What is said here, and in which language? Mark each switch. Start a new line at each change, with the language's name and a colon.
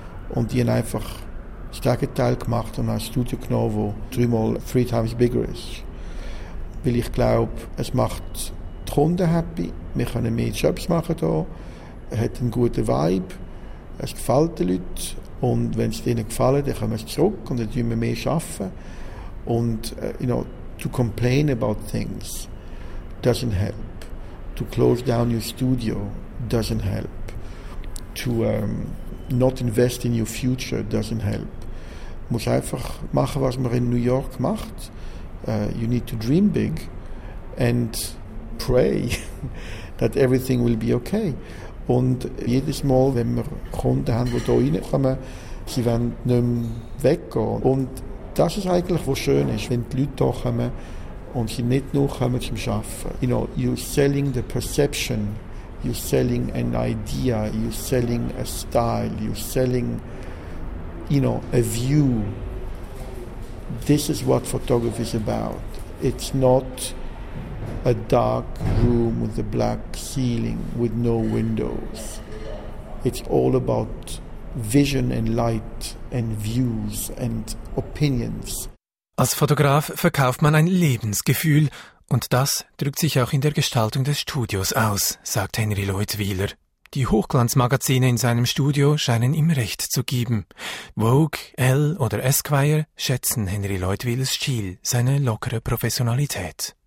German: Und die haben einfach das Gegenteil gemacht und ein Studio genommen, das dreimal,
English: three times bigger
German: ist. Weil ich glaube, es macht die Kunden happy, wir können mehr Jobs machen hier, es hat einen guten Vibe, es gefällt den Leuten und wenn es ihnen gefällt, dann kommen sie zurück und dann tun wir mehr arbeiten.
English: Und, you know, to complain about things doesn't help. To close down your studio doesn't help. To not invest in your future doesn't help.
German: Du musst einfach machen, was man in New York macht.
English: You need to dream big and pray that everything will be okay.
German: Und jedes Mal, wenn wir Kunden haben, die hier reinkommen, sie wollen nicht mehr weggehen. Und das ist eigentlich, was schön ist, wenn die Leute hier kommen und sie nicht nur kommen zum Arbeiten.
English: You know, you're selling the perception, you're selling an idea, you're selling a style, you're selling, you know, a view. This is what photography is about. It's not a dark room with a black ceiling with no windows. It's all about vision and light and views and opinions.
German: Als Fotograf verkauft man ein Lebensgefühl und das drückt sich auch in der Gestaltung des Studios aus, sagt Henry Leutwiler. Die Hochglanzmagazine in seinem Studio scheinen ihm recht zu geben. Vogue, Elle oder Esquire schätzen Henry Leutwilers Stil, seine lockere Professionalität.